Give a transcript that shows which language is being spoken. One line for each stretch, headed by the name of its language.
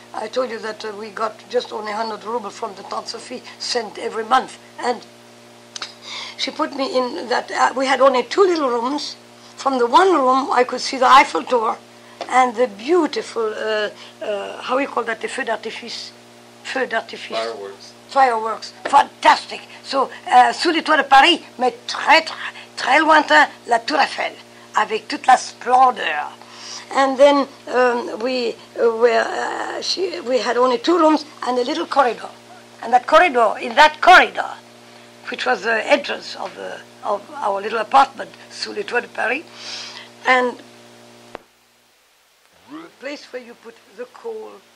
English: I told you that we got just only 100 rubles from the Tante Sophie sent every month. And she put me in that, we had only two little rooms. From the one room, I could see the Eiffel Tower and the beautiful, how we call that, the
French: feu d'artifice. Feu d'artifice.
English: Fireworks. Fantastic.
French: So, sous les toits de Paris, mais très, très, très lointain, la Tour Eiffel, avec toute la splendeur.
English: And then we had only two rooms and a little corridor. And that corridor, in that corridor, which was the entrance of our little apartment,
French: sous les toits de Paris,
English: and the place where you put the coal.